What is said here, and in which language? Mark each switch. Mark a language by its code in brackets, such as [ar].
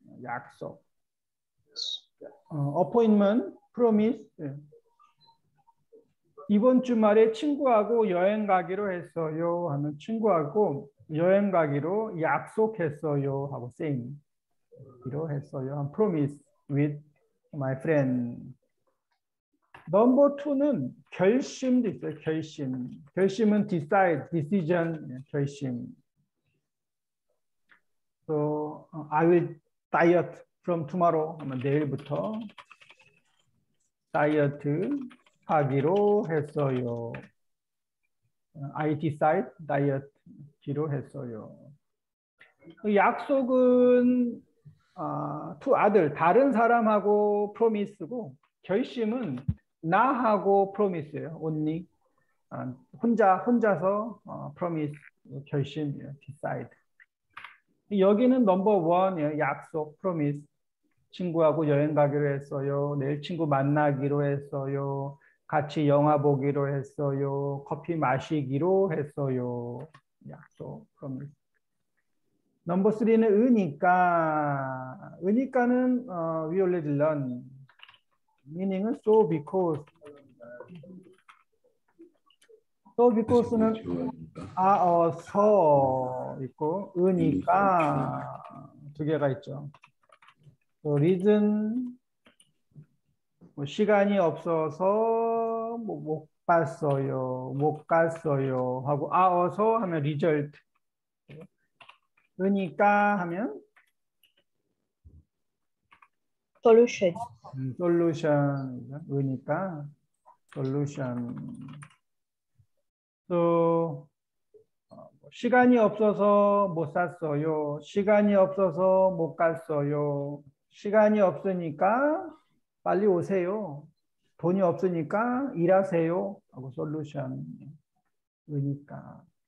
[ko] 약속. [en] Appointment, promise. [ko] 이번 주말에 친구하고 여행 가기로 했어요 하는 친구하고 여행 가기로 약속했어요 하고 [en] same. [ko] 기로 했어요. [en] I promise with my friend. Number two [ko] 는 결심도 있어요. 결심. 결심은 [en] decide, decision, [ko] 결심. [en] So I will diet from tomorrow. [ko] 아마 내일부터 다이어트 하기로 했어요. [en] I decide diet [ko] 기로 했어요. 약속은 to 아들 다른 사람하고 promise고 결심은 나하고 promise예요. [en] Only [ko] 혼자서 promise 결심 decide. 여기는 [en] number one [ko] 약속 promise 친구하고 여행 가기로 했어요. 내일 친구 만나기로 했어요. 같이 영화 보기로 했어요. 커피 마시기로 했어요. 약속 promise. 넘버 3는 으니까 으니까는 [en] we already learn meaning [ko] 은 [en] so because so because [ko] 는 아어서 있고 으니까 두 개가 있죠. [en] So reason [ko] 뭐 시간이 없어서 뭐 못 봤어요 못 갔어요 하고 아어서 하면 [en] result [ko] 그러니까 하면 [en] solution. solution. [ko] 그러니까 [en] solution. So [ko] 시간이 없어서 못 샀어요. 시간이 없어서 못 갔어요. 시간이 없으니까 빨리 오세요. 돈이 없으니까 일하세요. 하고 솔루션. 그러니까.